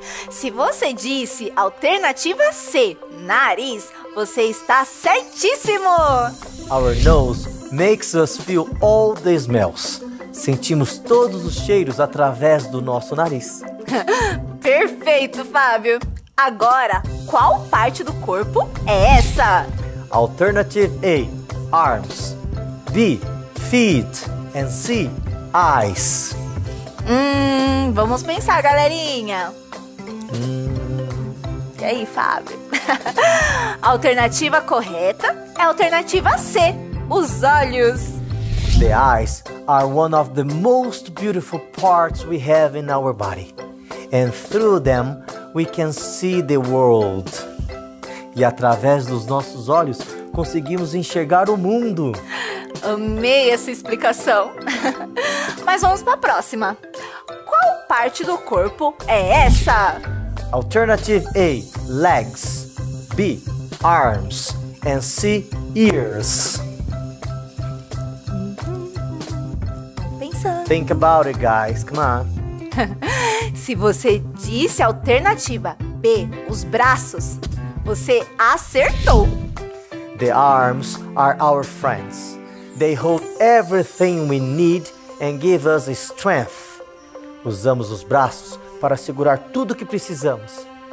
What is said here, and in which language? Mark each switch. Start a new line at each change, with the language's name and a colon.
Portuguese: Se você disse alternativa C, nariz, você está certíssimo!
English: Our nose makes us feel all the smells.
Portuguese: Sentimos todos os cheiros através do nosso nariz. Perfeito, Fábio! Agora, qual parte do corpo é essa?
English: Alternative A, arms. B, feet. And C, eyes.
Portuguese: Vamos pensar, galerinha. E aí, Fábio? Alternativa correta é alternativa C, os olhos.
English: The eyes are one of the most beautiful parts we have in our body. And through them, we can see the world.
Portuguese: E através dos nossos olhos, conseguimos enxergar o mundo. Amei essa explicação. Mas vamos para a próxima. Qual parte do corpo é essa?
English: Alternative A, legs. B, arms. And C, ears.
Portuguese: Pensando.
English: Think about it, guys. Come on.
Portuguese: Se você disse alternativa B, os braços, você acertou.
English: The arms are our friends. They hold everything we need and give us strength.
Portuguese: Usamos os braços para segurar tudo o que precisamos.